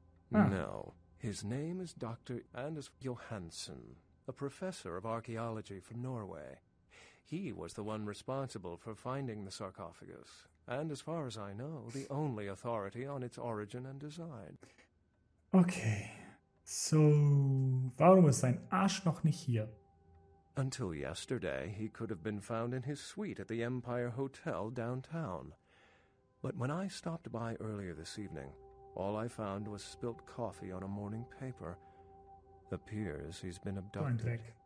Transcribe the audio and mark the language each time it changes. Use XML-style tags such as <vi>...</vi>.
<en>No. His name is Dr. Anders Johansson, a professor of archaeology from Norway. He was the one responsible for finding the sarcophagus. And as far as I know, the only authority on its origin and design. Okay.</en> <de>So, warum ist sein Arsch noch nicht hier?</de> <en>Until yesterday, he could have been found in his suite at the Empire Hotel downtown. But when I stopped by earlier this evening, all I found was spilt coffee on a morning paper. Appears he's been abducted.</en> <de>Dreck.</de>